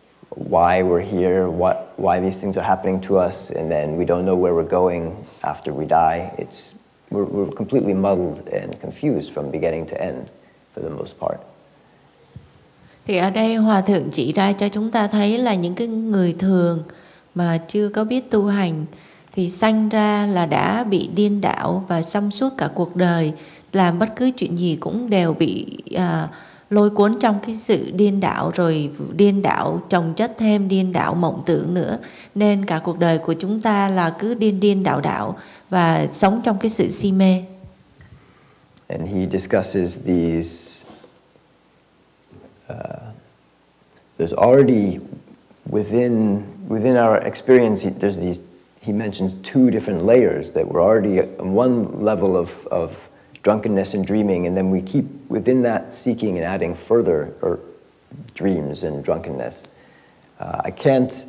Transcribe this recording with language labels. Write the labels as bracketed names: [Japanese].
[English] why we're here, why these things are happening to us, and then we don't know where we're going after we die. We're completely muddled and confused from beginning to end, for the most part. [Vietnamese] Thì ở đây Hòa Thượng chỉ ra cho chúng ta thấy là những cái người thường mà chưa có biết tu hành thì sanh ra là đã bị điên đảo, và trong suốt cả cuộc đời làm bất cứ chuyện gì cũng đều bị lôi cuốn trong cái sự điên đảo, rồi điên đảo chồng chất thêm điên đảo mộng tưởng nữa, nên cả cuộc đời của chúng ta là cứ điên điên đảo đảo và sống trong cái sự si mê. [English] And he discusses these there's already within our experience, he mentions two different layers that we're already on one level of drunkenness and dreaming, and then we keep within that seeking and adding further dreams and drunkenness. I can't